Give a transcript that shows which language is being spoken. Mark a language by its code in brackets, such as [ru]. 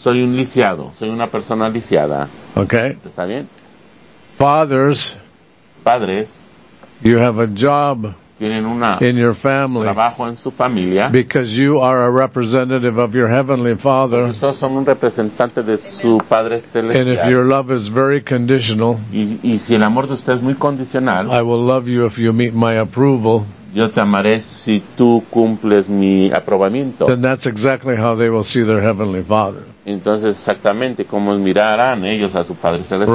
[es] Soy un lisiado. Soy una persona lisiada. [en] Okay. [es] ¿Está bien? [en] Fathers, [es] padres, [en] you have a job [es] una [en] in your family [es] trabajo en su familia [en] because you are a representative of your heavenly Father. [es] Son un representante de su padre celestial. [en] And if your love is very conditional, [es] y si el amor de usted es muy condicional, [en] I will love you if you meet my approval. [es] Yo te amaré si tú cumples mi aprobamiento. [en] Then that's exactly how they will see their heavenly Father. [es] Entonces exactamente cómo mirarán ellos a su padre celestial.